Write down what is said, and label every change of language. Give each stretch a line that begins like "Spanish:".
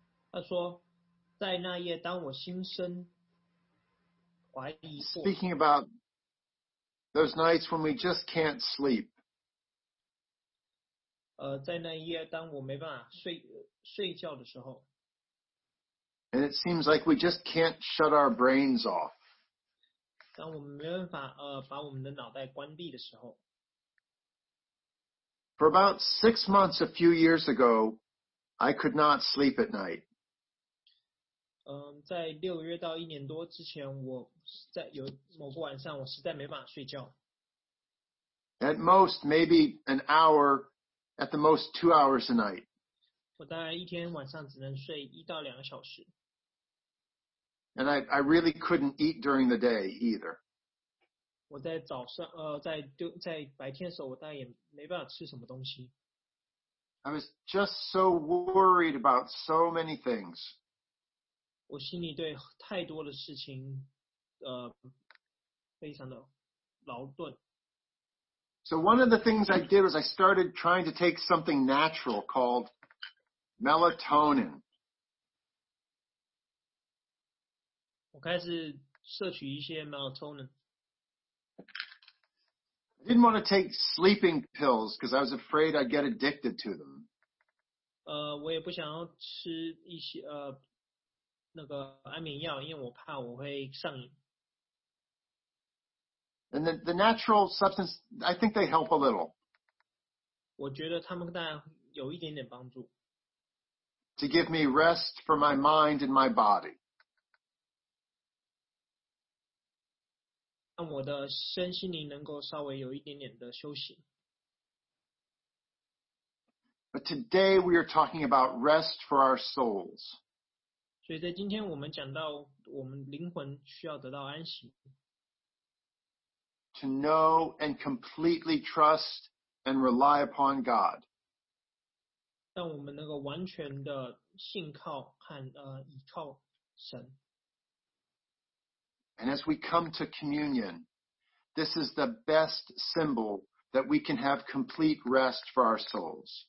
Chinese: 他说，在那夜，当我心生怀疑过。
English: Speaking about those nights when we just can't sleep.
Chinese: 在那夜，当我没办法睡觉的时候。
English: And it seems like we just can't shut our brains off.
Chinese: 当我们没办法把我们的脑袋关闭的时候。
English: For about 6 months a few years ago, I could not sleep at night.
Chinese: 在六月到一年多之前，我在有某个晚上，我实在没办法睡觉。
English: At most, maybe an hour, at the most 2 hours a night.
Chinese: 我大概一天晚上只能睡一到两个小时。
English: And I really couldn't eat during the day either.
Chinese: 我在早上在白天的时候我大概也没办法吃什么东西。
English: I was just so worried about so many things.
Chinese: 我心里对太多的事情非常的劳顿。
English: So one of the things I did was I started trying to take something natural called melatonin.
Chinese: 我开始摄取一些 melatonin.
English: I didn't want to take sleeping pills because I was afraid I'd get addicted to them.
Chinese: 我也不想要吃一些那个安眠药，因为我怕我会上瘾。
English: And the natural substance, I think they help a little.
Chinese: 我觉得他们大概有一点点帮助。
English: To give me rest for my mind and my body.
Chinese: 让我的身心灵能够稍微有一点点的休息。
English: But today we are talking about rest for our souls.
Chinese: 所以在今天我们讲到我们灵魂需要得到安息。
English: To know and completely trust and rely upon God.
Chinese: 让我们能够完全的信靠和依靠神。
English: And as we come to communion, this is the best symbol that we can have complete rest for our souls.